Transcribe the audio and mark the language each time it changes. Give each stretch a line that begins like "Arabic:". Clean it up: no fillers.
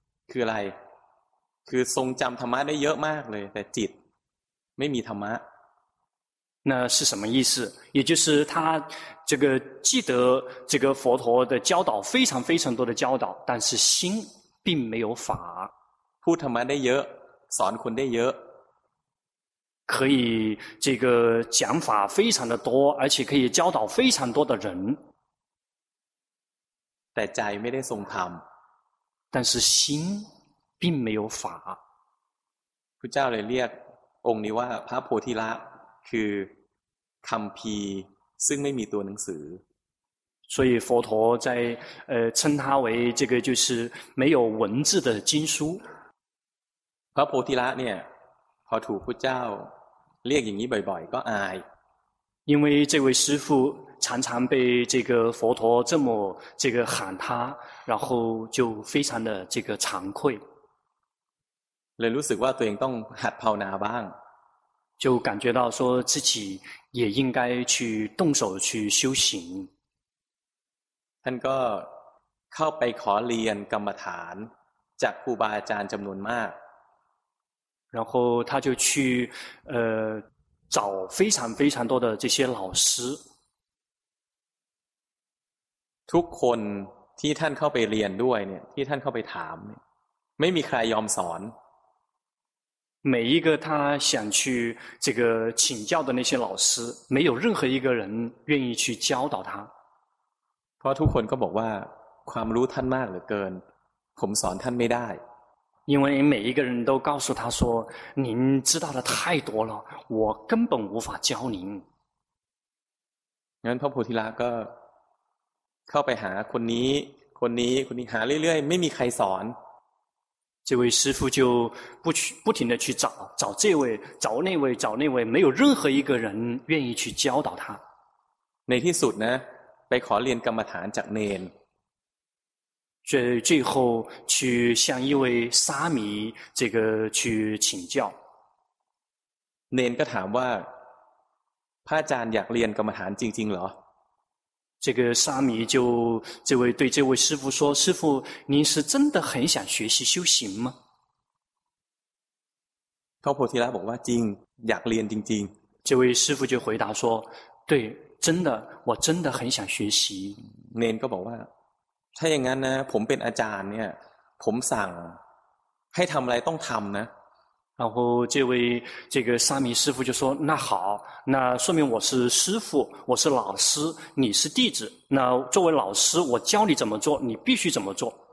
Thai: คืออะไรคือทรงจำธรรมะได้เยอะมากเลยแต่จิตไม่มีธรรมะ
Chinese: 那是什么意思也就是他这个记得这个佛陀的教导非常非常多的教导但是心并没有法
Thai: พูดธรรมะได้เยอะสอนคนได้เยอะ
Chinese: 可以这个讲法非常的多而且可以教导非常多的人
Thai: แต่ใจไม่ได้ทรงธรรม
Chinese: 但是心并没有法
Thai: พุทธเจ้าเลยเรียกองค์นี้ว่าพระโพธิละคือคัมภีร์ซึ่งไม่มีตัวหนังสือ
Chinese: 所以佛陀在称他为这个就是没有文字的经书
Thai: พระโพธิละเนี่ยพอถูกพุทธเจ้าเรียกอย่างนี้บ่อยๆก็อาย
Chinese: 因为这位师父常常被这个佛陀这么这个喊他然后就非常的这个惭愧
Thai: เลยรู้สึกว่าตัวเองต้องหัดภาวนาบ้าง
Chinese: 就感觉到说自己也应该去动手去修行
Thai: ท่านก็เข้าไปขอเรียนกรรมฐานจากครูบาอาจารย์จำนวนมาก
Chinese: 然后他就去找非常非常多的这些老师
Thai: ทุกคนที่ท่านเข้าไปเรียนด้วยเนี่ยที่ท่านเข้าไปถามเนี่ยไม่มีใครยอมสอน
Chinese: 每一个他想去这个请教的那些老师没有任何一个人愿意去教导他
Thai: เพราะทุกคนก็บอกว่าความรู้ท่านมากเหลือเกินผมสอนท่านไม่ได้
Chinese: 因为每一个人都告诉他说您知道的太多了我根本无法教您
Thai: งั้นพระโพธิละก็เข้าไปหาคนนี้คนนี้คนนี้หาเรื่อยๆไม่มีใครสอน
Chinese: 这位师父就不停地去找找这位找那位找那位没有任何一个人愿意去教导他
Thai: ในที่สุดนะ ไปขอเรียนกรรมฐานจากเนน
Chinese: 最后去向一位沙弥这个去请教
Thai: เนนก็ถามว่าพระอาจารย์อยากเรียนกรรมฐานจริงๆเหรอ
Chinese: 这个沙弥就这位对这位师父说师父您是真的很想学习修行吗
Thai: เขาโพธิละบอกว่าจริงอยากเรียนจริง
Chinese: ๆ这位师父就回答说对真的我真的很想学习
Thai: เนนก็บอกว่าถ้าอย่างนั้นนะผมเป็นอาจารย์เนี่ยผมสั่งให้ทำอะไรต้องทำนะ
Chinese: 然后这位这个沙弥师父就说那好那说明我是师父我是老师你是弟子那作为老师我教你怎么做你必须怎么做